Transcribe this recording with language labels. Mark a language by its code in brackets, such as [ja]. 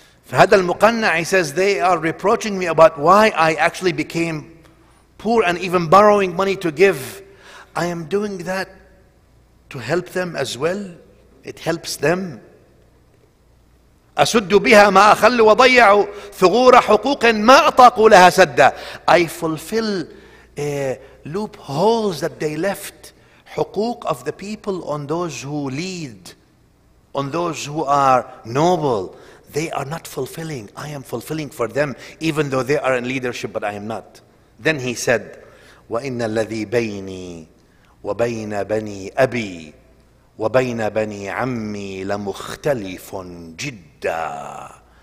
[ar] هذا المقنع, [en] he says, they are reproaching me about why I actually became poor and even borrowing money to give. I am doing that to help them as well. It helps them. [ar] أسد بها ما أخل وضيع ثغور حقوق ما أطاقوا لها سدا. [en] I fulfill loopholes that they left. حقوق of the people on those who lead, on those who are noble. They are not fulfilling. I am fulfilling for them, even though they are in leadership, but I am not. Then he said, [ar] وَإِنَّ الَّذِي بَيْنِي وَبَيْنَ بَنِي أَبِي وَبَيْنَ بَنِي عَمِّي لَمُخْتَلِفٌ جِدًّا.